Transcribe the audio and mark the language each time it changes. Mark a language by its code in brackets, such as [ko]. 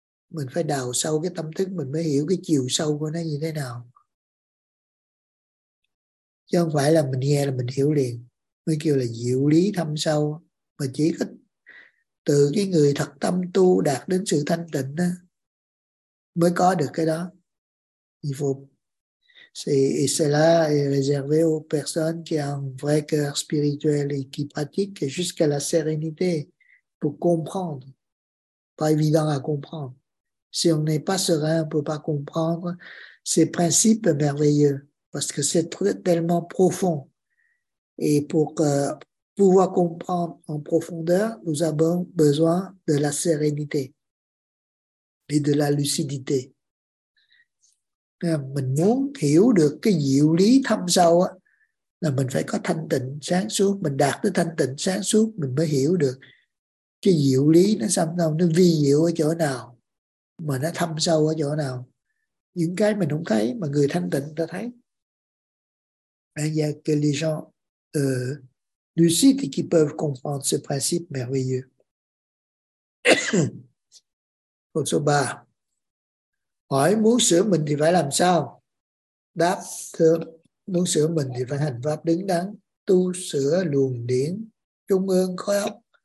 [vi] Mình phải đào sâu cái tâm thức mình mới hiểu cái chiều sâu của nó như thế nào. Chứ không phải là mình nghe là mình hiểu liền. Mới kêu là diệu lý thâm sâu. Mà chỉ có từ cái người thật tâm tu đạt đến sự thanh tịnh đó, mới có được cái đó. [fr] Il faut. C'est cela est réservé aux personnes qui ont un vrai cœur spirituel et qui pratiquent jusqu'à la sérénité pour comprendre. Pas évident à comprendre. Si on n'est pas serein, on ne peut pas comprendre ces principes merveilleux parce que c'est tellement profond. Et pour pouvoir comprendre en profondeur, nous avons besoin de la sérénité et de la lucidité. [vi] Mình muốn hiểu được cái diệu lý thâm sâu á, là mình phải có thanh tịnh sáng suốt. Mình đạt tới thanh tịnh sáng suốt mình mới hiểu được cái diệu lý nó xâm sâu, nó vi diệu ở chỗ nào mà nó thâm sâu ở chỗ nào. Những cái mình không thấy mà người thanh tịnh ta thấy. [fr] Il y a que les gens lucides qui peuvent comprendre ce principe merveilleux. [vi] Câu số 3. Hỏi muốn sửa mình thì phải làm sao? Đáp: thưa, muốn sửa mình thì phải hành pháp đứng đắn, tu sửa luồng điển trung ương khối óc.